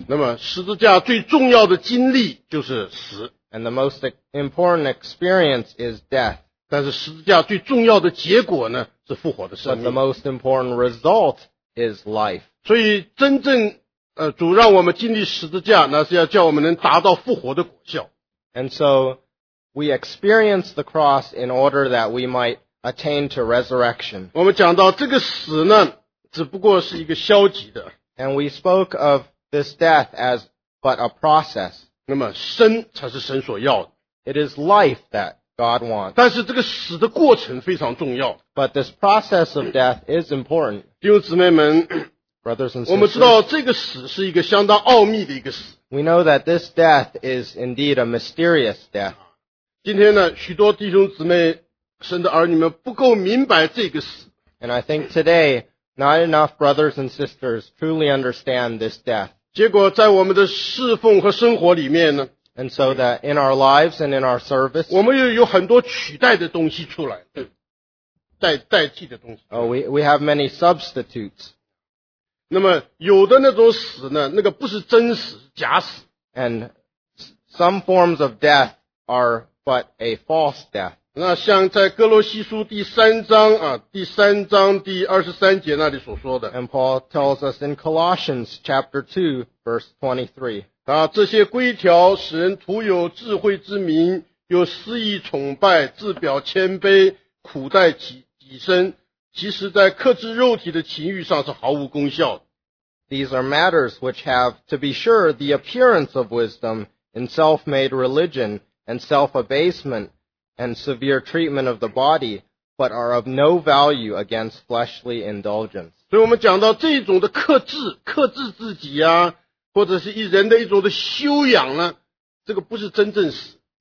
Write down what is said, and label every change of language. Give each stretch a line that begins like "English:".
Chinese: 那么十字架最重要的经历就是死。
English: And the most important experience is death.
Chinese: 但是十字架最重要的结果呢，是复活的生命。
English: But the most important result is life.
Chinese: 所以真正主让我们经历十字架，那是要叫我们能达到复活的果效。
English: And so, we experience the cross in order that we might attain to resurrection.
Chinese: 我们讲到这个死呢，只不过是一个消极的。
English: And we spoke of this death as but a process.
Chinese: 那么生才是神所要的。
English: It is life that God wants.
Chinese: 但是这个死的过程非常重要。
English: But this process of death is important.
Chinese: 弟兄姊妹们。
English: Brothers and sisters,
Chinese: 我们知道这个死是一个相当奥秘的一个死。
English: We know that this death is indeed a mysterious death.
Chinese: 今天呢，许多弟兄姊妹生的儿女们不够明白这个死。
English: And I think today, not enough brothers and sisters truly understand this death.
Chinese: 结果在我们的侍奉和生活里面呢，
English: And so that in our lives and in our service,
Chinese: 我们又有很多取代的东西出来，代替的东西。
English: We have many substitutes.
Chinese: 那么有的那种死呢，那个不是真死，是假死。
English: And some forms of death are but a false death.
Chinese: 那像在哥罗西书第三章啊，第三章第二十三节那里所说的。
English: And Paul tells us in Colossians chapter 2 verse 23.
Chinese: 啊，这些规条使人徒有智慧之名，有肆意崇拜，自表谦卑，苦待己身。其实在克制肉体的情欲上是毫无功效的。
English: These are matters which have, to be sure, the appearance of wisdom in self-made religion and self-abasement and severe treatment of the body, but are of no value against fleshly indulgence.
Chinese: 所以我们讲到这种的克制自己啊，或者是人的一种的修养呢，这个不是真正死。